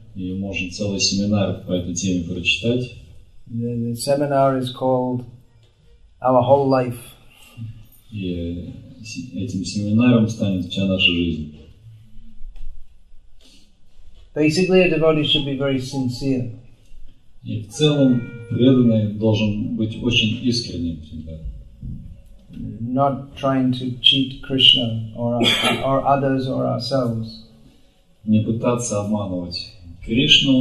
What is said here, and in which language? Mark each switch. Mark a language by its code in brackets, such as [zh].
[ru] И можно целый семинар по этой теме прочитать. [en] The seminar is called Our Whole Life. [ru] И этим семинаром станет вся наша жизнь. [en] Basically, a devotee should be very sincere. [ru] И в целом преданный должен быть очень искренним всегда. [en] Not trying to cheat Krishna or others or ourselves. [ru] Не пытаться обманывать Кришну.